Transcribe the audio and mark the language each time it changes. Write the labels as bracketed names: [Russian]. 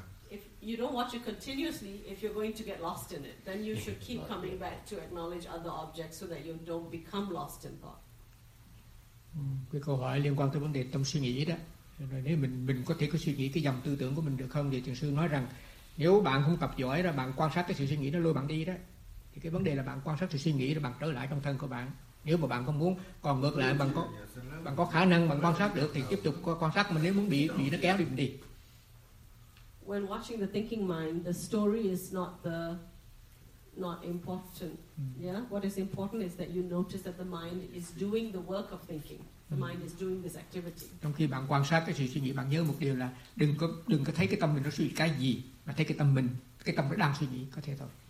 [English] If you don't watch it continuously, if you're going to get lost in it, then you should keep coming back to acknowledge other objects so that you don't become lost in thought. [Vietnamese] Cái câu hỏi liên quan tới vấn đề tâm suy nghĩ đó. Rồi nếu mình có thể có suy nghĩ cái dòng tư tưởng của mình được không? Thì thiền sư nói rằng nếu bạn không tập giỏi là bạn quan sát cái sự suy nghĩ nó lôi bạn đi đó. Thì cái vấn đề là bạn quan sát sự suy nghĩ rồi bạn trở lại trong thân của bạn. Nếu mà bạn không muốn, còn ngược lại bạn có khả năng bạn quan sát được thì tiếp tục quan sát, mà nếu muốn bị nó kéo đi mình đi. [English] When watching the thinking mind, the story is not important. Yeah, what is important is that you notice that the mind is doing the work of thinking. The mind is doing this activity. [Vietnamese] Trong khi bạn quan sát cái sự suy nghĩ, bạn nhớ một điều là đừng có thấy cái tâm mình nó suy nghĩ cái gì, mà thấy cái tâm nó đang suy nghĩ, có thể thôi.